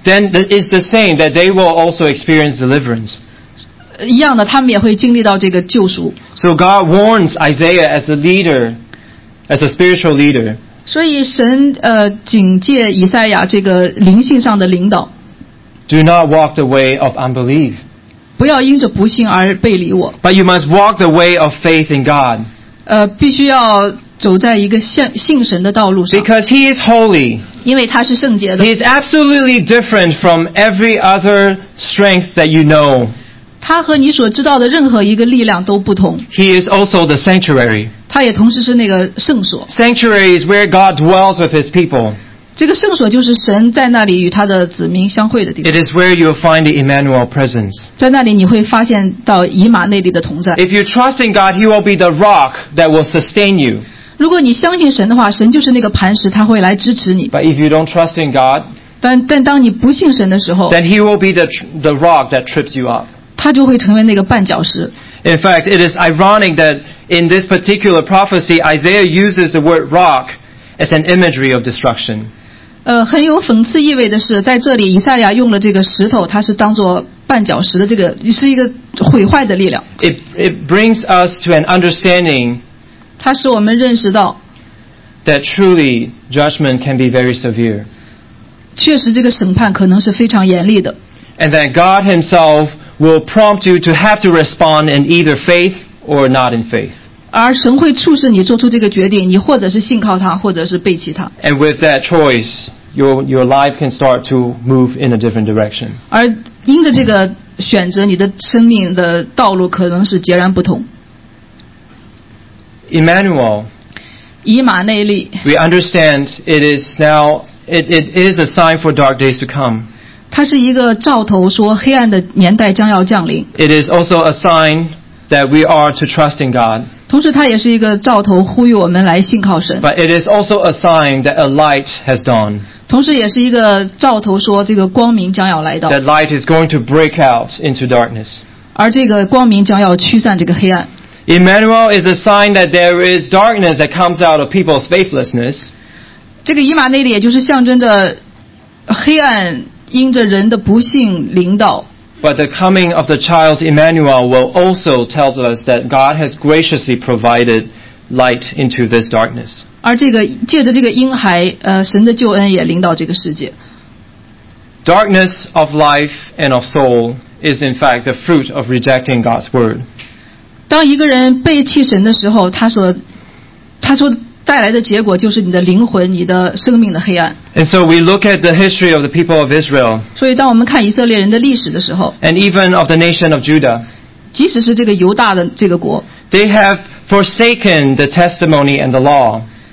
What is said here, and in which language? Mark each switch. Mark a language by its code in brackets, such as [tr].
[en] then it's the same that they will also experience deliverance. [zh] 一样的，他们也会经历到这个救赎。 [en] So God warns Isaiah as a leader, as a spiritual leader. [zh] 所以神警戒以赛亚这个灵性上的领导。 [en] Do not walk the way of unbelief. [zh] 不要因着不信而背离我。 [en] But you must walk the way of faith in God. [zh] 必须要走在一个信神的道路上。 [en] Because he is holy. [zh] 因为他是圣洁的。 [en] He is absolutely different from every other strength that you know. [zh] 他和你所知道的任何一个力量都不同。 [en] He is also the sanctuary. [zh] 他也同时是那个圣所。 [en] Sanctuary is where God dwells with his people. [zh] 这个圣所就是神在那里与他的子民相会的地方。 [en] It is where you'll find the Emmanuel presence. [zh] 在那里你会发现到以马内利的同在。 [en] If you trust in God, he will be the rock that will sustain you. [zh] 如果你相信神的话，神就是那个磐石，他会来支持你。 [en] But if you don't trust in God, [zh] 但当你不信神的时候， [en] then he will be the rock that trips you up. [zh] 他就会成为那个绊脚石。 [en] In fact, it is ironic that in this particular prophecy, Isaiah uses the word rock as an imagery of destruction. [zh] 很有讽刺意味的是，在这里以赛亚用了这个石头，它是当作绊脚石的，这个是一个毁坏的力量。 [en] It brings us to an understanding. [zh] 它使我们认识到 [en] that truly judgment can be very severe. [zh] 确实，这个审判可能是非常严厉的。 [en] And that God Himself will prompt you to have to respond in either faith or not in faith. [zh] 而神会促使你做出这个决定，你或者是信靠他，或者是背弃他。 [en] And with that choice, your life can start to move in a different direction. [zh] 而因着这个选择，你的生命的道路可能是截然不同。 [en] Emmanuel, [zh] 以马内利。 [en] We understand it is now it is a sign for dark days to come. [zh] 它是一个兆头，说黑暗的年代将要降临。 [en] It is also a sign that we are to trust in God. [zh] 同时，它也是一个兆头，呼吁我们来信靠神。 [en] But it is also a sign that a light has dawned. [zh] 同时也是一个兆头，说这个光明将要来到。 [en] That light is going to break out into darkness. [zh] 而这个光明将要驱散这个黑暗。 [en] Emmanuel is a sign that there is darkness that comes out of people's faithlessness. [zh] 这个以马内利也就是象征着黑暗因着人的不幸临到。 [en] But the coming of the child Emmanuel will also tell us that God has graciously provided light into this darkness. [zh] 而这个借着这个婴孩，神的救恩也临到这个世界。 [en] Darkness of life and of soul is in fact the fruit of rejecting God's word. [zh] 当一个人背弃神的时候，他说带来的结果就是你的灵魂、你的生命的黑暗。 [en] And so we look at the history of the people of Israel. [zh] 所以当我们看以色列人的历史的时候 [en] ，and even of the nation of Judah. [zh] 即使是这个犹大的这个国 [en] ，they have forsaken the testimony and the law.